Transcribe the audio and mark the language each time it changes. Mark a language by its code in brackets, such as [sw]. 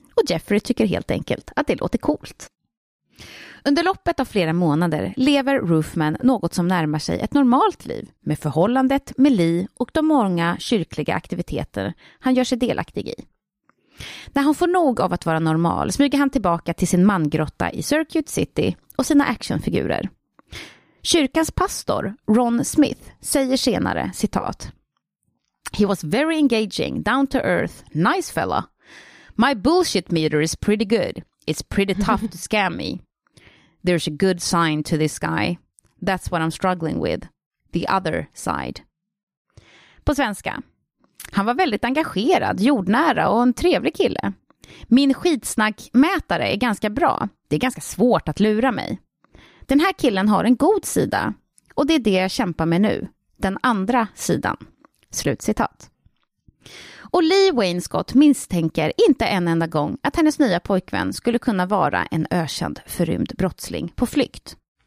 [sv] Och Jeffrey tycker helt enkelt att det låter coolt. Under loppet av flera månader lever Roofman något som närmar sig ett normalt liv med förhållandet med Lee och de många kyrkliga aktiviteter han gör sig delaktig i. När han får nog av att vara normal smyger han tillbaka till sin mangrotta i Circuit City och sina actionfigurer. Kyrkans pastor Ron Smith säger senare, citat: [en] "He was very engaging, down to earth, nice fella. My bullshit meter is pretty good. It's pretty tough to scam me. There's a good sign to this guy. That's what I'm struggling with. The other side. [sv] På svenska. Han var väldigt engagerad, jordnära och en trevlig kille. Min skitsnackmätare är ganska bra. Det är ganska svårt att lura mig. Den här killen har en god sida. Och det är det jag kämpar med nu. Den andra sidan. Slutcitat. Och Lee Wainscott misstänker inte en enda gång att hennes nya pojkvän skulle kunna vara en ökänd förrymd brottsling på flykt.